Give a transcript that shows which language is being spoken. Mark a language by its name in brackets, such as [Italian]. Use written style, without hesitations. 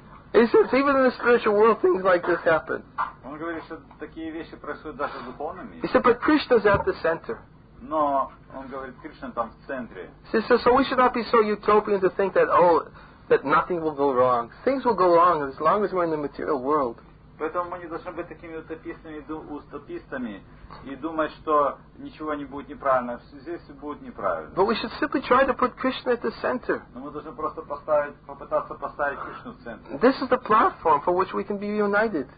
[English] He says, even in the spiritual world, things like this happen. [Russian] Он говорит, что такие вещи происходят даже в духовном мире. [English] He said, but Krishna's at the center. [Russian] Но он говорит, Кришна там в центре. [English] So we should not be so utopian to think that that nothing will go wrong. Things will go wrong as long as we're in the material world. [Russian] Поэтому мы не должны быть такими утопистами и думать, что ничего не будет неправильно. Здесь будет неправильно. [English] But we should simply try to put Krishna at the center. [Russian] Но мы должны просто попытаться поставить Кришну в центр. [English] This is the platform for which we can be united.